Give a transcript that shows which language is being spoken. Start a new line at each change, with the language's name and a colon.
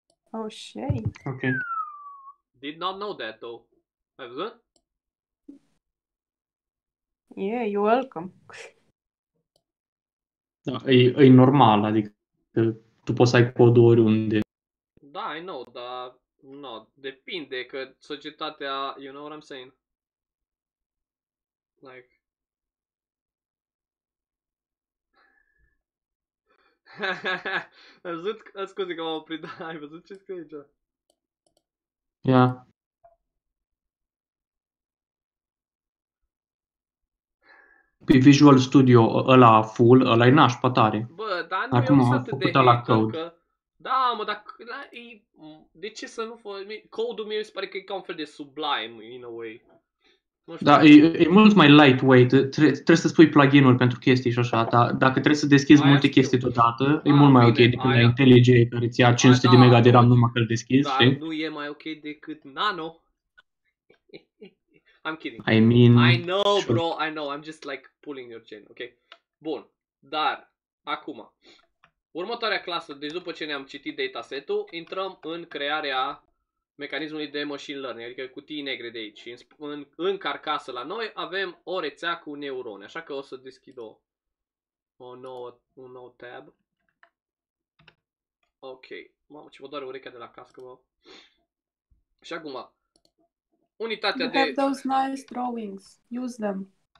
English: Oh, shit. Ok. Did not know that, though.
Romanian: Ai văzut?
English: Yeah, you're welcome.
Romanian: Da, e normal, adică tu poți să ai codul oriunde.
English: Da, I know, dar no,
Romanian: depinde că societatea,
English: you know what I'm saying? Like...
Romanian: Ai văzut? Scuze că m-am oprit, dar ai văzut ce scrie aici? Ia. Yeah. Pe Visual Studio, ăla full, ăla-i nașpa tare. Bă, dar nu acum eu sunt atât de hater că... Da, mă, dar de ce să nu fă... Codul meu îmi pare că e ca un fel de Sublime,
English: in a way.
Romanian: Da, e mult mai lightweight, trebuie să spui plugin-uri pentru chestii și așa, dar dacă trebuie să deschizi aia multe chestii deodată, e mult mai ok decât la IntelliJ care ți ia 500 de mega de RAM numai că îl deschizi, știi? Dar nu e mai ok decât Nano.
English: I'm kidding. I mean... I know, bro, I know, I'm just like pulling your chain, ok?
Romanian: Bun, dar acum, următoarea clasă, deci după ce ne-am citit dataset-ul, intrăm în crearea mecanismului de machine learning, adică cutii negre de aici. În carcasă la noi avem o rețea cu neuroni, așa că o să deschid un nou tab. Ok, mamă, ce mă doare urechea de la cască, mă. Și acum, unitatea de...
English: You have those nice drawings, use them.